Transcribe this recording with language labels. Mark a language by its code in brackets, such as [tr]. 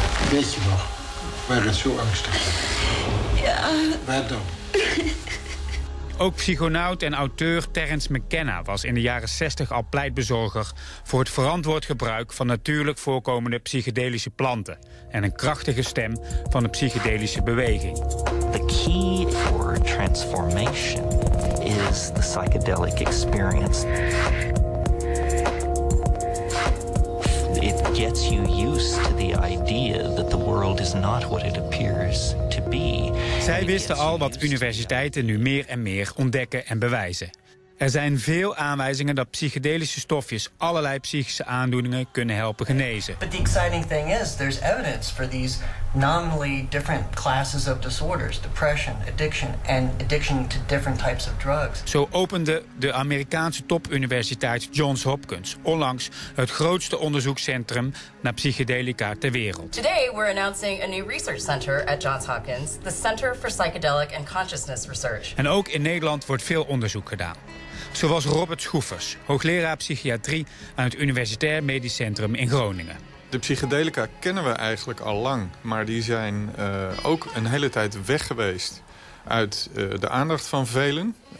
[nl] Weet je nog waar het zo angstig was? Ja. Waar dan? Ook psychonaut en auteur Terence McKenna was in de jaren 60 al pleitbezorger voor het verantwoord gebruik van natuurlijk voorkomende psychedelische planten en een krachtige stem van de psychedelische beweging. [en] The key for transformation is the psychedelic experience. It gets you used to the idea that the world is not what it appears to be. [nl] Zij wisten al wat universiteiten nu meer en meer ontdekken en bewijzen. Er zijn veel aanwijzingen dat psychedelische stofjes allerlei psychische aandoeningen kunnen helpen genezen. [en] But the exciting thing is, there's evidence for these nominally different classes of disorders, depression, addiction, and addiction to different types of drugs. [nl] Zo opende de Amerikaanse topuniversiteit Johns Hopkins onlangs het grootste onderzoekscentrum naar psychedelica ter wereld. [en] Today we're announcing a new research center at Johns Hopkins, the Center for Psychedelic and Consciousness Research. [nl] En ook in Nederland wordt veel onderzoek gedaan. Zoals Robert Schoefers, hoogleraar psychiatrie aan het Universitair Medisch Centrum in Groningen. De psychedelica kennen we eigenlijk al lang, maar die zijn ook een hele tijd weg geweest uit de aandacht van velen.